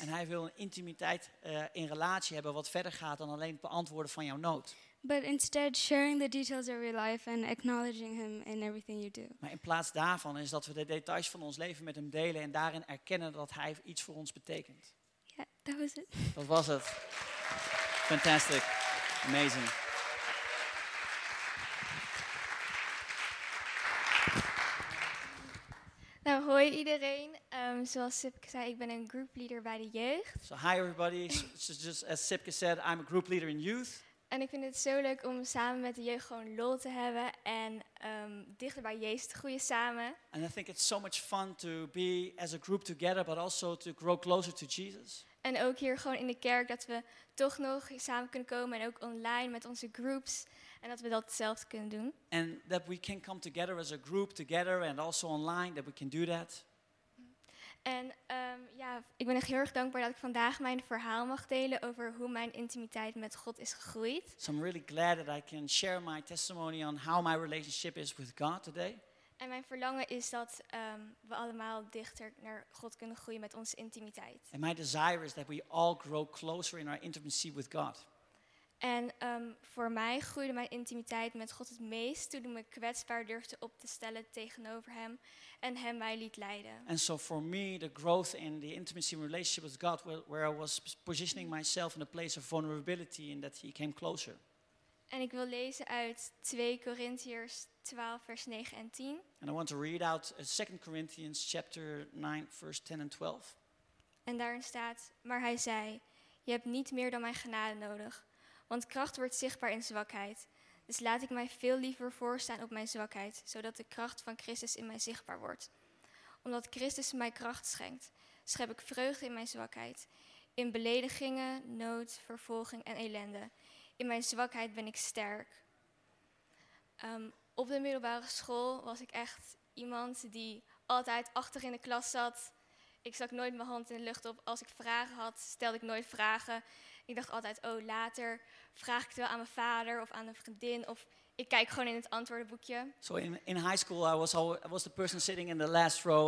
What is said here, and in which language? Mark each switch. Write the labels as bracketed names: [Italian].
[Dutch] En hij wil een intimiteit in relatie hebben wat verder gaat dan alleen het beantwoorden van jouw nood. [English] But instead sharing the details of your life and acknowledging him in everything you do. [Dutch] Maar in plaats daarvan is dat we de details van ons leven met hem delen en daarin erkennen dat hij iets voor ons betekent. [English] Yeah, that was it. [Dutch] Dat was het. [English] Fantastic. Amazing. [Dutch] Nou, hoi iedereen. Zoals Sipke zei, ik ben een group leader bij de jeugd. [English] So hi everybody. So just as Sipke said, I'm a group leader in youth. [Dutch] En ik vind het zo leuk om samen met de jeugd gewoon lol te hebben en dichter bij Jezus te groeien samen. [English] And I think it's so much fun to be as a group together, but also to grow closer to Jesus. [Dutch] En ook hier gewoon in de kerk dat we toch nog samen kunnen komen en ook online met onze groups en dat we dat zelf kunnen doen. [English] And that we can come together as a group together and also online that we can do that. [Dutch] En ik ben echt heel erg dankbaar dat ik vandaag mijn verhaal mag delen over hoe mijn intimiteit met God is gegroeid. [English] So I'm really glad that I can share my testimony on how my relationship is with God today. [Dutch] En mijn verlangen is dat we allemaal dichter naar God kunnen groeien met onze intimiteit. [English] And my desire is that we all grow closer in our intimacy with God. [Dutch] En voor mij groeide mijn intimiteit met God het meest toen ik me kwetsbaar durfde op te stellen tegenover Hem en Hem mij liet leiden. [English] And so for me, the growth in the intimacy and relationship with God, where I was positioning myself in a place of vulnerability, and that He came closer. [Dutch] En ik wil lezen uit 2 Korintiërs 12, vers 9 en 10. [English] And I want to read out 2 Corinthians chapter 9, verse 10 and 12. [Dutch] En daarin staat: maar Hij zei: je hebt niet meer dan mijn genade nodig. Want kracht wordt zichtbaar in zwakheid. Dus laat ik mij veel liever voorstaan op mijn zwakheid, zodat de kracht van Christus in mij zichtbaar wordt. Omdat Christus mij kracht schenkt, schep ik vreugde in mijn zwakheid. In beledigingen, nood, vervolging en ellende. In mijn zwakheid ben ik sterk. Op de middelbare school was ik echt iemand die altijd achter in de klas zat. Ik stak nooit mijn hand in de lucht op. Als ik vragen had, stelde ik nooit vragen. Ik dacht altijd, oh, later vraag ik het wel aan mijn vader of aan een vriendin. Of ik kijk gewoon in het antwoordenboekje. [English] So in high school, I was the person sitting in the last row.